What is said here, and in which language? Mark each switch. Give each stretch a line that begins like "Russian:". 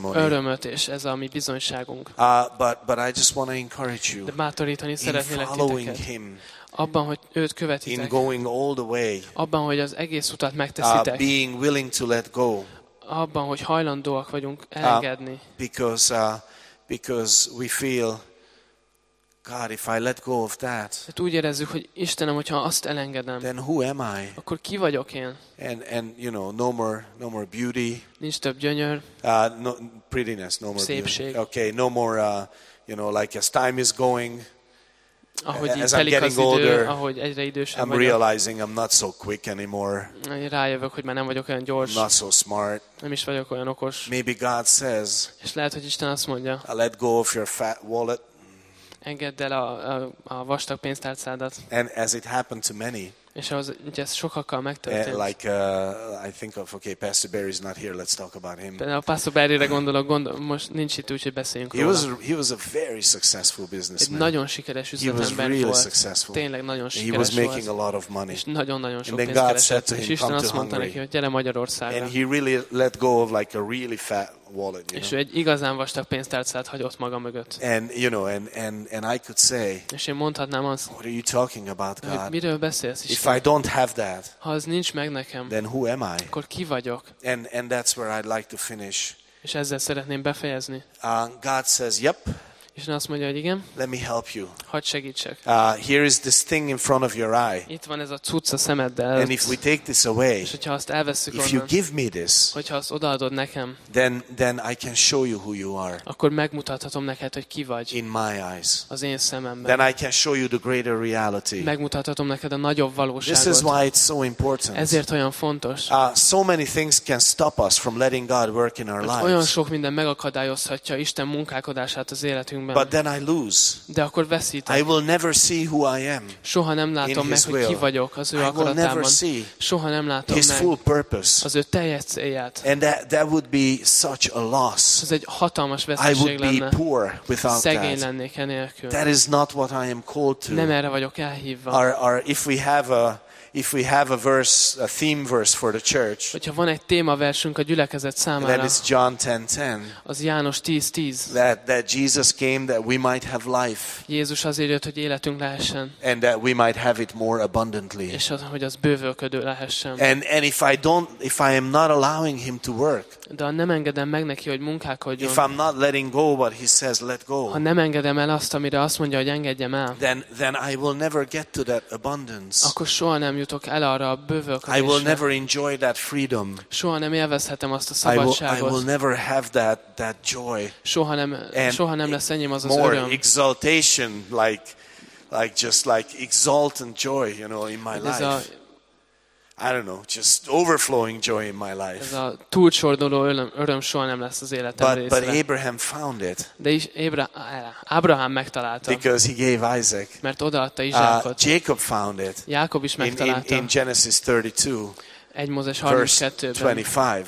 Hungarian: Nagyon sok örömöt, és ez a mi bizonyságunk.
English: But I just want to encourage you.
Hungarian: Bátorítani szeretnélek titeket. Abban, hogy őt követitek.
English: In going all the way.
Hungarian: Abban, hogy az egész utat megteszitek.
English: Being willing to let go.
Hungarian: Abban, hogy hajlandóak vagyunk elengedni.
English: Because we feel, God, if I let go of that.
Hungarian: Hát úgy érezzük, hogy Istenem, hogyha azt elengedem.
English: Then who am I?
Hungarian: Akkor ki vagyok én?
English: And you know, no more beauty.
Hungarian: Nincs több gyönyör.
English: No, prettiness, no more
Hungarian: szépség.
English: Beauty. Okay, no more, you know, like as time is going.
Hungarian: Ahogy így telik az idő,
English: older,
Hungarian: ahogy egyre idősebb vagyok.
English: I'm realizing I'm not so quick anymore.
Hungarian: Rájövök, hogy már nem vagyok olyan gyors.
English: Not so smart.
Hungarian: Nem is vagyok olyan okos.
English: Maybe God says.
Hungarian: És lehet, hogy Isten azt mondja.
English: I let go of your fat wallet.
Hungarian: Engedd el a vastag pénztárcádat.
English: And as it happened to many.
Hungarian: És az, ugye ez sokakkal megtörtént.
English: I think of, okay, Pastor Barry's not here, let's talk about him.
Hungarian: De a Pastor Barry-re gondolok, most nincs itt, úgyhogy beszéljünk róla.
English: He was a very successful businessman.
Hungarian: Egy nagyon sikeres üzletember volt.
English: He was really successful.
Hungarian: Tényleg nagyon sikeres volt.
English: He was making a lot of money.
Hungarian: És nagyon-nagyon sok pénzt keresett. És Isten azt mondta neki, hogy gyere Magyarországra.
English: And he really let go of like a really fat wallet,
Hungarian: és egy igazán vastag pénztárcát hagyott maga mögött.
English: And you know, and I could say.
Hungarian: És én mondhatnám azt.
English: What are you talking about, God?
Hungarian: Miről beszélsz, Isten?
English: If I don't have that.
Hungarian: Ha az nincs meg nekem.
English: Then who am I?
Hungarian: Akkor ki vagyok?
English: And that's where I'd like to finish.
Hungarian: És ezzel szeretném befejezni.
English: God says, yep.
Hungarian: És azt mondja, hogy igen.
English: Let me help you.
Hungarian: Hadd segítsek.
English: Here is this thing in front of your eye.
Hungarian: Itt van ez a cucc a szemeddel előtt.
English: And if we take this away.
Hungarian: És hogyha azt elvesszük onnan.
English: If you give me this.
Hungarian: Hogyha azt odaadod nekem.
English: Then I can show you who you are.
Hungarian: Akkor megmutathatom neked, hogy ki vagy.
English: In my eyes.
Hungarian: Az én szememben.
English: Then I can show you the greater reality.
Hungarian: Megmutathatom neked a nagyobb valóságot.
English: This is why it's so important.
Hungarian: Ezért olyan fontos.
English: So many things can stop us from letting God work in our lives.
Hungarian: Olyan sok minden megakadályozhatja Isten munkálkodását az életünkben.
English: But then I lose.
Hungarian: De akkor veszítek.
English: I will never see who I am.
Hungarian: Soha nem látom meg, hogy ki vagyok az ő akaratában. Soha nem látom
English: his
Hungarian: meg
English: full purpose.
Hungarian: Az ő teljes célját.
English: And that would be such a loss.
Hungarian: Ez egy hatalmas veszteség
English: I would
Hungarian: lenne.
English: Be poor without
Hungarian: szegény
English: that.
Hungarian: Lennék enélkül.
English: That is not what I am called to.
Hungarian: Nem erre vagyok elhívva.
English: Or if we have a verse, a theme verse for the church.
Hungarian: Hogyha van egy témaversünk a gyülekezet számára.
English: That is John 10:10.
Hungarian: Az János 10:10.
English: That Jesus came that we might have life.
Hungarian: Jézus azért jött, hogy életünk lehessen.
English: And that we might have it more abundantly.
Hungarian: És az, hogy az bővölködő lehessen.
English: And if I am not allowing him to work.
Hungarian: De ha nem engedem meg neki, hogy munkálkodjon.
English: If I'm not letting go what he says, let go.
Hungarian: Ha nem engedem el azt, amire azt mondja, hogy engedjem el.
English: Then I will never get to that abundance.
Hungarian: Akkor soha nem jutok el arra a bővölködésre.
English: I will never enjoy that freedom.
Hungarian: Soha nem élvezhetem azt a szabadságot.
English: I will never have that joy.
Hungarian: Soha nem lesz enyém az
English: more
Hungarian: öröm.
English: More exaltation, like just like exultant joy, you know, in my life. I don't know, just overflowing joy in my life.
Hungarian: Ez a túlcsordoló öröm soha nem lesz az életem
English: but,
Hungarian: részre.
English: But Abraham found it.
Hungarian: De is Abraham megtalálta.
English: Because he gave Isaac.
Hungarian: Mert odaadta Izsákot.
English: Jacob found it.
Hungarian: Jákob is megtalálta.
English: In Genesis 32.
Hungarian: 1 Mózes 32-ben.
English: Verse 25.